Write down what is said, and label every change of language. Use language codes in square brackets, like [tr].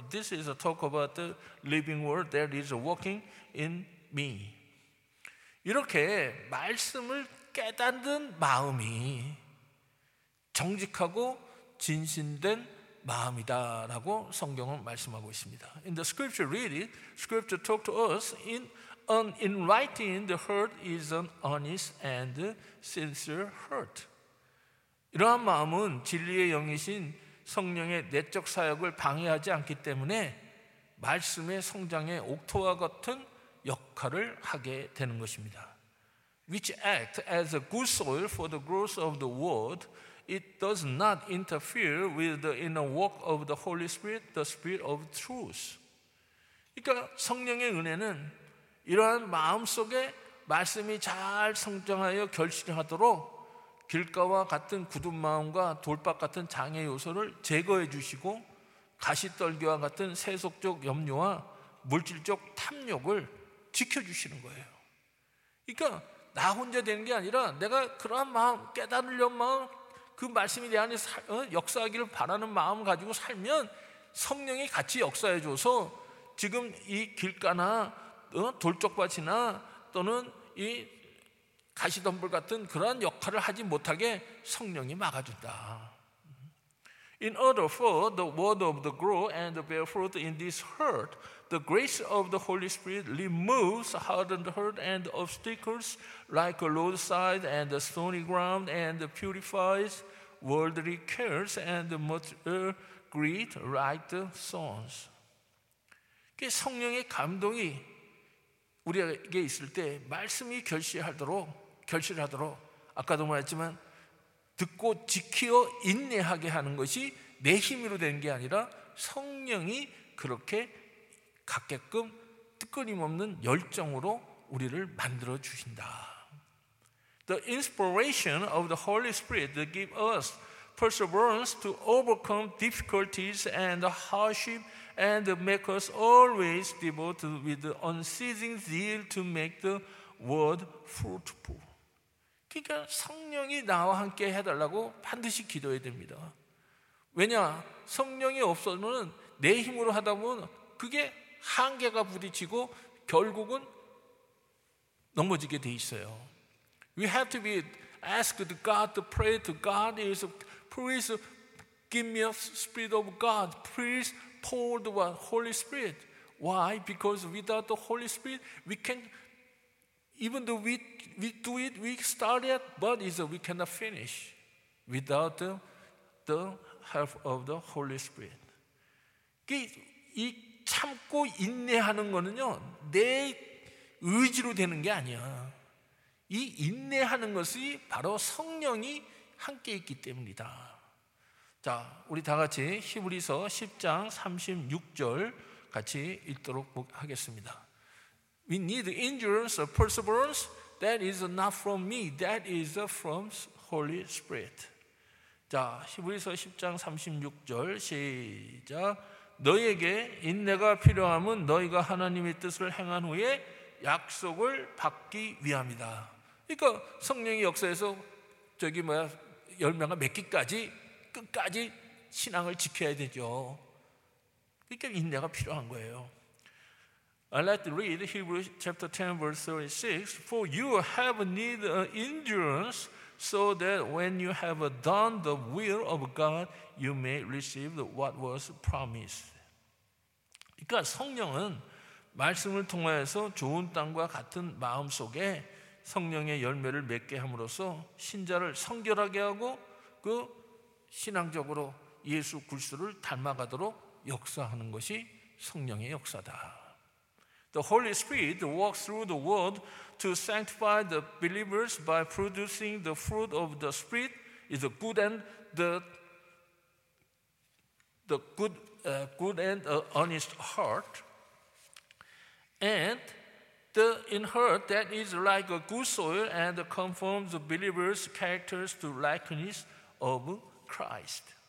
[en] This is a talk about the living word that is working in me. [ko] 이렇게 말씀을 깨닫는 마음이 정직하고 진실된 마음이다라고 성경은 말씀하고 있습니다. [en] In the scripture, read it. Scripture talk to us in writing, the heart is an honest and sincere heart. [ko] 이러한 마음은 진리의 영이신 성령의 내적 사역을 방해하지 않기 때문에 말씀의 성장에 옥토와 같은 역할을 하게 되는 것입니다. [en] Which act as a good soil for the growth of the word, it does not interfere with the inner work of the Holy Spirit, the Spirit of truth. [ko] 그러니까 성령의 은혜는 이러한 마음 속에 말씀이 잘 성장하여 결실하도록 길가와 같은 굳은 마음과 돌밭 같은 장애 요소를 제거해 주시고 가시떨기와 같은 세속적 염려와 물질적 탐욕을 지켜주시는 거예요. 그러니까 나 혼자 되는 게 아니라 내가 그러한 마음 깨달으려는 마음 그 말씀이 내 안에 역사하기를 바라는 마음을 가지고 살면 성령이 같이 역사해 줘서 지금 이 길가나 돌쪽밭이나 또는 이 가시덤불 같은 그러한 역할을 하지 못하게 성령이 막아준다. [en] In order for the word of the grow and bear fruit in this heart, the grace of the Holy Spirit removes hardened heart and obstacles like a roadside and a stony ground and purifies worldly cares and material greed like the thorns. [ko] 성령의 감동이 우리에게 있을 때 말씀이 결실하도록 아까도 말했지만 듣고 지키어 인내하게 하는 것이 내 힘으로 되는 게 아니라 성령이 그렇게 갖게끔 뜨끊임없는 열정으로 우리를 만들어 주신다. [en] The inspiration of the Holy Spirit that give us perseverance to overcome difficulties and hardship and make us always devote with unceasing zeal to make the word fruitful. [ko] 그러니까 성령이 나와 함께 해달라고 반드시 기도해야 됩니다. 왜냐? 성령이 없으면 내 힘으로 하다 보면 그게 한계가 부딪히고 결국은 넘어지게 돼 있어요. [en] We have to be asked God to pray to God is please give me a spirit of God. Please pour the Holy Spirit. Why? Because without the Holy Spirit, we can even though we do it, we start it, but we cannot finish without the help of the Holy Spirit. [ko] 이 참고 인내하는 거는요, 내 의지로 되는 게 아니야. 이 인내하는 것이 바로 성령이 함께 있기 때문이다. 자, 우리 다 같이 히브리서 10장 36절 같이 읽도록 하겠습니다. [en] We need endurance or perseverance. That is not from me. That is from Holy Spirit. [ko] 자, 히브리서 10장 36절 시작. 너희에게 인내가 필요함은 너희가 하나님의 뜻을 행한 후에 약속을 받기 위함이다. 그러니까 성령이 역사에서 저기 뭐야 열매가 맺기까지 끝까지 신앙을 지켜야 되죠. 그러니까 인내가 필요한 거예요. [en] I'd like to read Hebrews chapter 10 verse 36. For you have need of endurance so that when you have done the will of God, you may receive what was promised. [ko] 그러니까 성령은 말씀을 통하여서 좋은 땅과 같은 마음 속에 성령의 열매를 맺게 함으로써 신자를 성결하게 하고 그 신앙적으로 예수 그리스도를 닮아가도록 역사하는 것이 성령의 역사다. [en] The Holy Spirit walks through the world to sanctify the believers by producing the fruit of the Spirit is the good and honest heart and the in heart that is like a good soil and conforms the believers' characters to likeness of Christ.